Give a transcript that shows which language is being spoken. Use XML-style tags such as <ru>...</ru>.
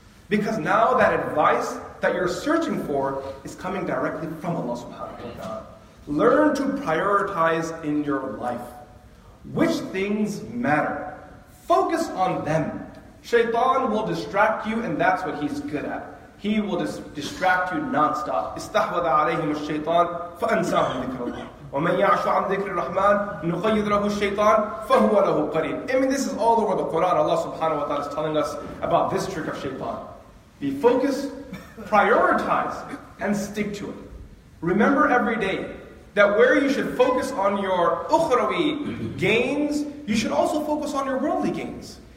<en>Because now that advice that you're searching for is coming directly from Allah subhanahu wa ta'ala. Learn to prioritize in your life. Which things matter? Focus on them. Shaitan will distract you, and that's what he's good at. He will distract you nonstop.</en> <ar>استحوذ عليهم الشيطان فأنساهم ذكر الله. ومن يعش عن ذكر الرحمن نقيد له الشيطان فهو له قرين.</ar> <en>I mean, this is all over the Quran. Allah subhanahu wa ta'ala is telling us about this trick of shaitan. Be focused, prioritize, and stick to it. Remember every day that where you should focus on your ukhrawi gains, you should also focus on your worldly gains.</en>